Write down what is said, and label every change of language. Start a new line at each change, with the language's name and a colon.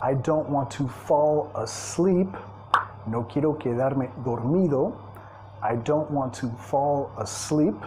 English: I don't want to fall asleep.
Spanish: No quiero quedarme dormido.
English: I don't want to fall asleep.